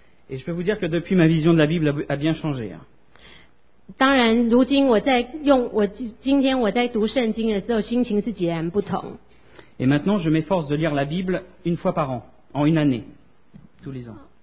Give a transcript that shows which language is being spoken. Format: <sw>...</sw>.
<fr>Et je peux vous dire que depuis ma vision de la Bible a bien changé.</fr> <zh>当然，如今我在用我今天我在读圣经的时候，心情是截然不同。</zh> <fr>Et maintenant, je m'efforce de lire la Bible une fois par an, en une année, tous les ans.</fr>